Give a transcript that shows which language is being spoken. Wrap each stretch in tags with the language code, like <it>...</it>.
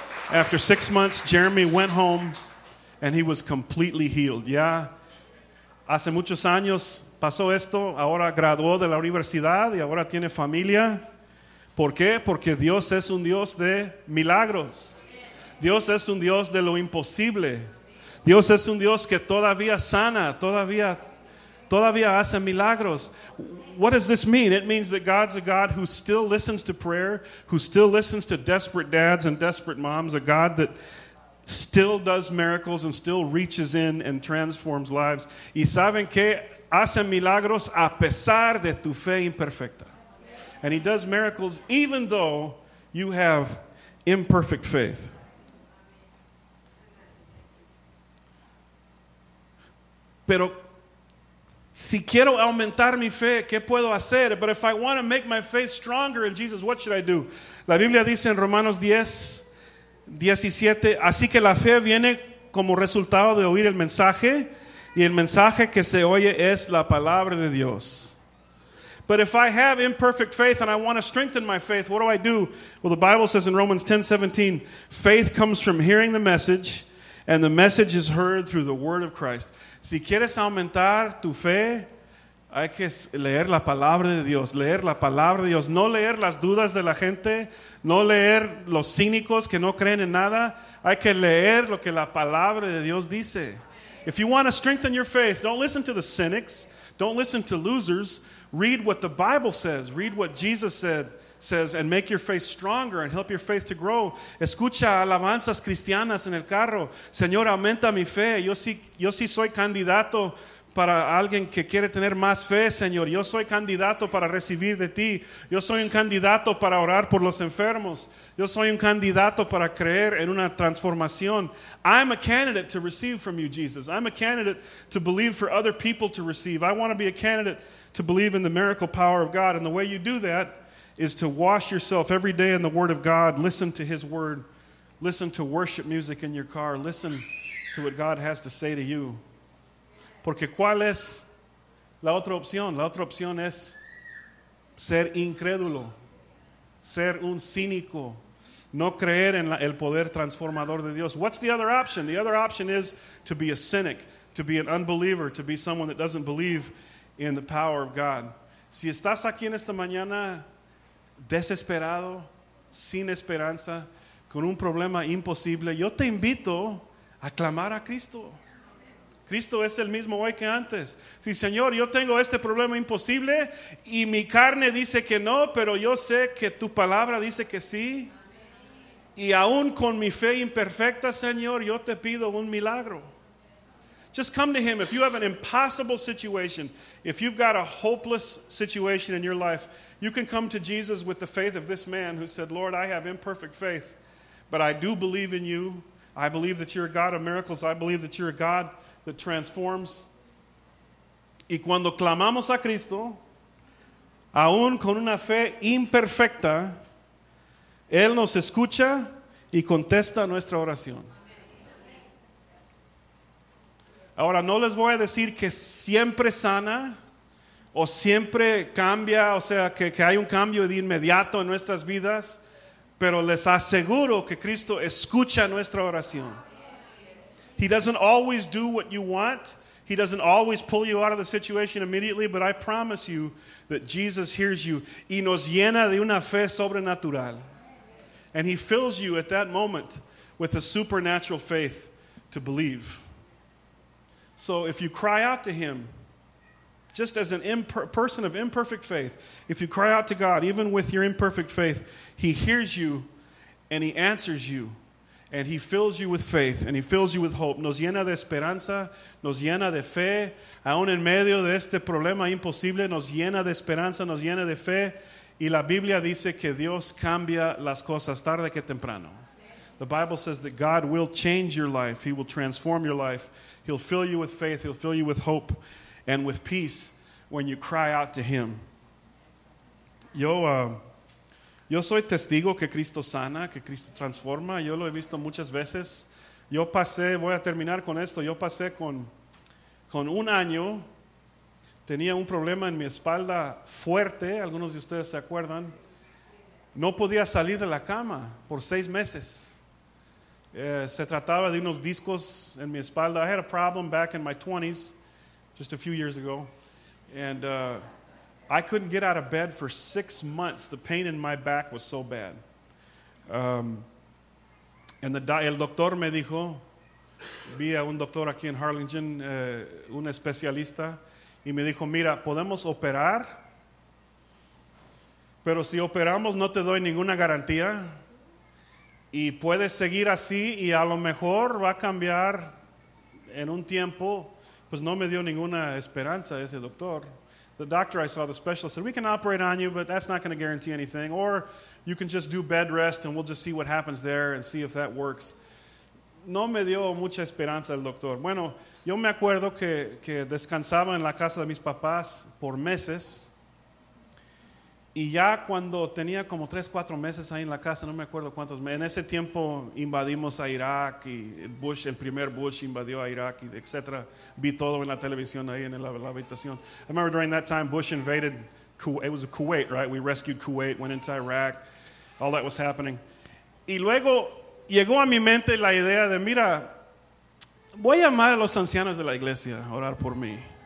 <en>After 6 months, Jeremy went home and he was completely healed.</en> <es>Ya hace muchos años pasó esto. Ahora graduó de la universidad y ahora tiene familia. ¿Por qué? Porque Dios es un Dios de milagros. Dios es un Dios de lo imposible. Dios es un Dios que todavía sana, todavía hace milagros.</es> <en>What does this mean? It means that God's a God who still listens to prayer, who still listens to desperate dads and desperate moms, a God that still does miracles and still reaches in and transforms lives.</en> <es>¿Y saben qué? Hace milagros a pesar de tu fe imperfecta.</es> <en>And he does miracles even though you have imperfect faith.</en> <es>Pero si quiero aumentar mi fe, ¿qué puedo hacer?</es> <en>But if I want to make my faith stronger in Jesus, what should I do?</en> <es>La Biblia dice en Romanos 10, 17, así que la fe viene como resultado de oír el mensaje, y el mensaje que se oye es la palabra de Dios.</es> <en>But if I have imperfect faith and I want to strengthen my faith, what do I do? Well, the Bible says in Romans 10, 17, faith comes from hearing the message, and the message is heard through the word of Christ.</en> <es>Si quieres aumentar tu fe, hay que leer la palabra de Dios. Leer la palabra de Dios. No leer las dudas de la gente. No leer los cínicos que no creen en nada. Hay que leer lo que la palabra de Dios dice.</es> <en>If you want to strengthen your faith, don't listen to the cynics. Don't listen to losers. Read what the Bible says. Read what Jesus says, and make your faith stronger and help your faith to grow.</en> <es>Escucha alabanzas cristianas en el carro. Señor, aumenta mi fe. Yo sí soy candidato para alguien que quiere tener más fe, Señor. Yo soy candidato para recibir de ti. Yo soy un candidato para orar por los enfermos. Yo soy un candidato para creer en una transformación.</es> <en>I'm a candidate to receive from you, Jesus. I'm a candidate to believe for other people to receive. I want to be a candidate to believe in the miracle power of God. And the way you do that is to wash yourself every day in the Word of God. Listen to His Word. Listen to worship music in your car. Listen to what God has to say to you.</en> <es>Porque ¿cuál es la otra opción? La otra opción es ser incrédulo. Ser un cínico. No creer en el poder transformador de Dios.</es> <en>What's the other option? The other option is to be a cynic, to be an unbeliever, to be someone that doesn't believe in the power of God.</en> <es>Si estás aquí en esta mañana desesperado, sin esperanza, con un problema imposible, yo te invito a clamar a Cristo. Cristo es el mismo hoy que antes. Sí, Señor, yo tengo este problema imposible y mi carne dice que no, pero yo sé que tu palabra dice que sí. Y aún con mi fe imperfecta, Señor, yo te pido un milagro.</es> <en>Just come to him. If you have an impossible situation, if you've got a hopeless situation in your life, you can come to Jesus with the faith of this man who said, Lord, I have imperfect faith, but I do believe in you. I believe that you're a God of miracles. I believe that you're a God that transforms.</en> <es>Y cuando clamamos a Cristo, aún con una fe imperfecta, Él nos escucha y contesta nuestra oración. Ahora, no les voy a decir que siempre sana o siempre cambia, o sea, que hay un cambio de inmediato en nuestras vidas, pero les aseguro que Cristo escucha nuestra oración.</es> <en>He doesn't always do what you want. He doesn't always pull you out of the situation immediately, but I promise you that Jesus hears you</en> <es>y nos llena de una fe sobrenatural.</es> <en>And he fills you at that moment with a supernatural faith to believe. So if you cry out to him, just as an person of imperfect faith, if you cry out to God, even with your imperfect faith, he hears you and he answers you. And he fills you with faith and he fills you with hope.</en> <es>Nos llena de esperanza, nos llena de fe. Aún en medio de este problema imposible, nos llena de esperanza, nos llena de fe. Y la Biblia dice que Dios cambia las cosas tarde que temprano.</es> <en>The Bible says that God will change your life. He will transform your life. He'll fill you with faith. He'll fill you with hope and with peace when you cry out to him.</en> <es>Yo soy testigo que Cristo sana, que Cristo transforma. Yo lo he visto muchas veces. Yo pasé, voy a terminar con esto. Yo pasé con un año. Tenía un problema en mi espalda fuerte. Algunos de ustedes se acuerdan. No podía salir de la cama por 6 meses. Se trataba de unos discos en mi espalda.</es> <en>I had a problem back in my 20s, just a few years ago. And I couldn't get out of bed for 6 months. The pain in my back was so bad.</en> <es>El doctor me dijo, vi a un doctor aquí en Harlingen, un especialista, y me dijo, mira, podemos operar, pero si operamos no te doy ninguna garantía. Y puedes seguir así y a lo mejor va a cambiar en un tiempo. Pues no me dio ninguna esperanza ese doctor.</es> <en>The doctor I saw, the specialist, said, we can operate on you, but that's not going to guarantee anything. Or you can just do bed rest and we'll just see what happens there and see if that works.</en> <es>No me dio mucha esperanza el doctor. Bueno, yo me acuerdo que descansaba en la casa de mis papás por meses. Y ya cuando tenía como 3-4 meses ahí en la casa, no me acuerdo cuántos meses, en ese tiempo invadimos a Irak y Bush, el primer Bush invadió a Irak, etc. Vi todo en la televisión ahí en la habitación.</es> <en>I remember during that time Bush invaded Kuwait, it was Kuwait, right? We rescued Kuwait, went into Iraq, all that was happening.</en> <es>Y luego llegó a mi mente la idea de, mira, voy a llamar a los ancianos de la iglesia a orar por mí.</es>